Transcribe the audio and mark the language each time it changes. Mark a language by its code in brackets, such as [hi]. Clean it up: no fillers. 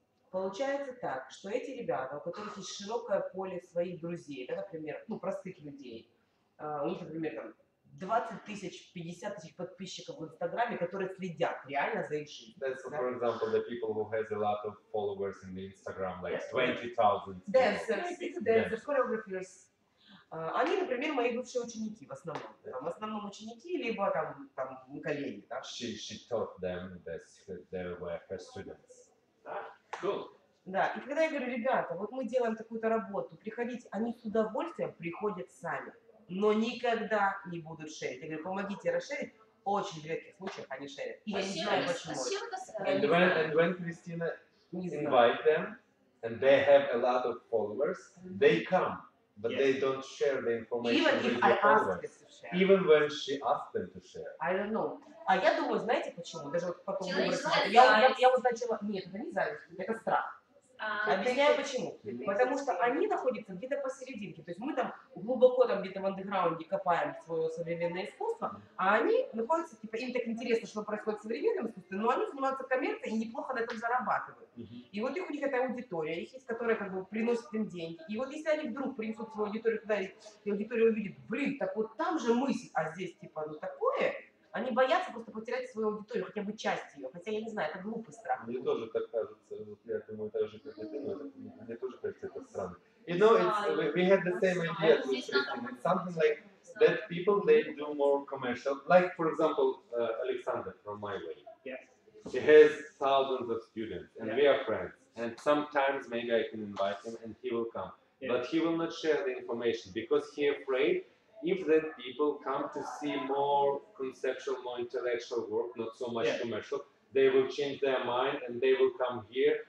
[ru] Получается так, что эти ребята, у которых есть широкое поле своих друзей, да, например, ну, простых людей, у них, например, там 20 тысяч, 50 тысяч подписчиков в Инстаграме, которые следят реально за их жизнью. [en] That's, да? For example, the people who has a lot of followers in the Instagram, like 20,000. Dancers, choreographers. [ru] Они, например, мои бывшие ученики, в основном. Там, в основном ученики, либо там коллеги. Да? [en] She taught them that they were her students. [ru] Да, и когда я говорю, ребята, вот мы делаем такую-то работу, приходите, они с удовольствием приходят сами, но никогда не будут шерить. Я говорю, помогите расширить. Очень редких случаях они шерят. И я не знаю, почему. [en] And when Christina invite them, and they have a lot of followers, they come. But they don't share the information even with the followers. Even when she asked them to share. I don't know. [ru] А я думаю, знаете почему? Даже вот потом я вот начала... Нет, это не зависть, это страх. Объясняю почему. Потому что они находятся где-то посерединке. То есть мы там глубоко там где-то в андеграунде копаем свое современное искусство, а они находятся, типа, им так интересно, что происходит в современном искусстве, но они занимаются коммерцией и неплохо на этом зарабатывают. И вот их у них эта аудитория, их есть, которая как бы приносит им деньги. И вот если они вдруг принесут свою аудиторию туда, и аудитория увидит, блин, так вот там же мысль, а здесь типа ну такое. Они боятся просто потерять свою аудиторию, хотя бы часть ее. Хотя, я не знаю, это глупый страх. Мне тоже так кажется. Вот я думаю, так же, как и ты, но мне тоже кажется, это странно. [en] You know, we had the same idea. Something like that people, they do more commercial. Like, for example, Alexander from My Way. Yes. He has thousands of students, and we are friends. And sometimes maybe I can invite him, and he will come. Yeah. But he will not share the information, because he afraid if that people come to see more conceptual, more intellectual work, not so much commercial, they will change their mind and they will come here.